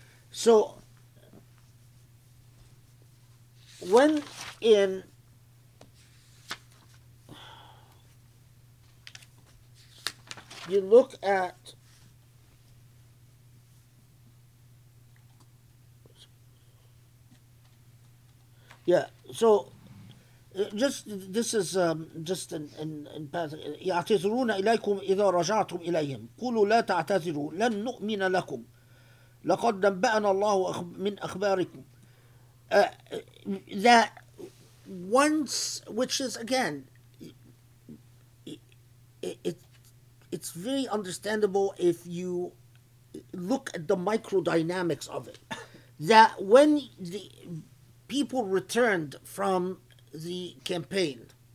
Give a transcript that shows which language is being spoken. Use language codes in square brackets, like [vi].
[en] So when in you look at this is just in passing. [ar] يعتذرون إليكم إذا رجعتم إليهم قولوا لا تعتذروا لن نؤمن لكم لقد نبأنا الله من أخباركم. [en] That once, which is again, it's very understandable if you look at the microdynamics of it, that when the people returned from the campaign,